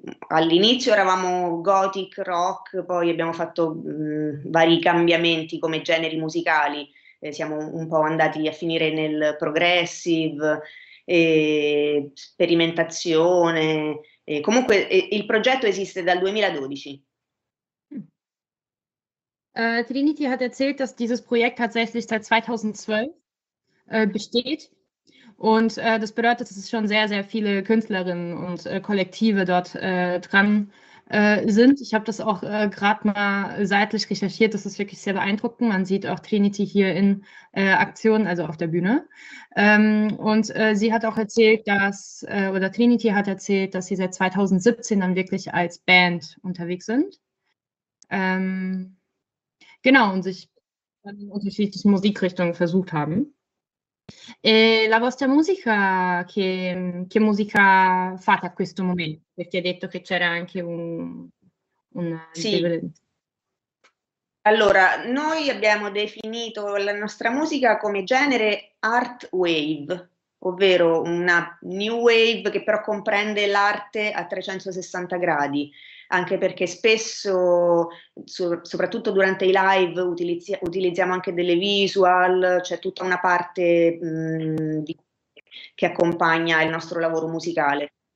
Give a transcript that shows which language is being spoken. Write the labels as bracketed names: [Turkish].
[Italian] All'inizio eravamo gothic, rock, poi abbiamo fatto vari cambiamenti come generi musicali. Siamo un po' andati a finire nel progressive, sperimentazione. Comunque il progetto esiste dal 2012. [German] Trinity hat erzählt, dass dieses Projekt tatsächlich seit 2012 besteht. Und das bedeutet, dass es schon sehr, sehr viele Künstlerinnen und Kollektive dort dran sind. Ich habe das auch gerade mal seitlich recherchiert, das ist wirklich sehr beeindruckend. Man sieht auch Trinity hier in Aktion, also auf der Bühne. Sie hat auch erzählt, dass, oder Trinity hat erzählt, dass sie seit 2017 dann wirklich als Band unterwegs sind. Genau, und sich in unterschiedlichen Musikrichtungen versucht haben. [Italian] La vostra musica, che musica fate a questo momento? Perché hai detto che c'era anche un... Sì, allora, noi abbiamo definito la nostra musica come genere art wave, ovvero una new wave che però comprende l'arte a 360 gradi, anche perché spesso, soprattutto durante i live, utilizziamo anche delle visual, c'è tutta una parte che accompagna il nostro lavoro musicale.